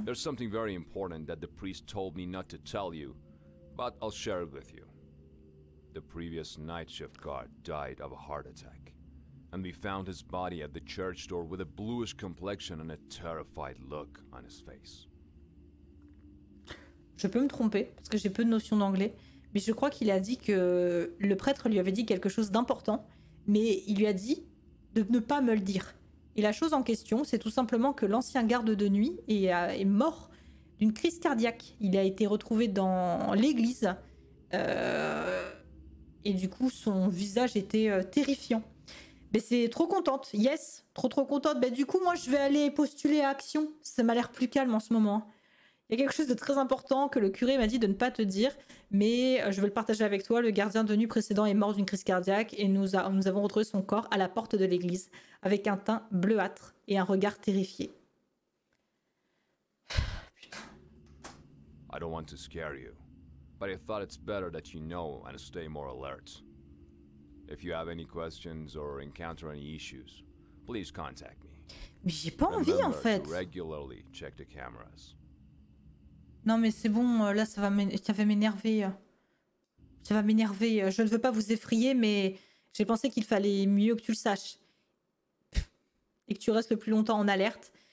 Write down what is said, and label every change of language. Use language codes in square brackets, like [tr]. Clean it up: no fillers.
[en] There's something very important that the priest told me not to tell you, but I'll share it with you. The previous night shift guard died of a heart attack, and we found his body at the church door with a bluish complexion and a terrified look on his face. [fr] Je peux me tromper parce que j'ai peu de notions d'anglais, mais je crois qu'il a dit que le prêtre lui avait dit quelque chose d'important, mais il lui a dit de ne pas me le dire. Et la chose en question, c'est tout simplement que l'ancien garde de nuit est mort d'une crise cardiaque. Il a été retrouvé dans l'église et du coup, son visage était terrifiant. Mais c'est trop contente, yes, trop contente. Mais du coup, moi, je vais aller postuler à Action. Ça m'a l'air plus calme en ce moment. Il y a quelque chose de très important que le curé m'a dit de ne pas te dire, mais je veux le partager avec toi. Le gardien de nuit précédent est mort d'une crise cardiaque et nous avons retrouvé son corps à la porte de l'église avec un teint bleuâtre et un regard terrifié. [en] I don't want to scare you, but I thought it's better that you know and stay more alert. If you have any questions or encounter any issues, please contact me. [fr] Mais j'ai pas envie en fait. [en] Remember to regularly check the cameras. [fr] Non mais c'est bon, là ça va m'énerver, je ne veux pas vous effrayer mais j'ai pensé qu'il fallait mieux que tu le saches et que tu restes le plus longtemps en alerte.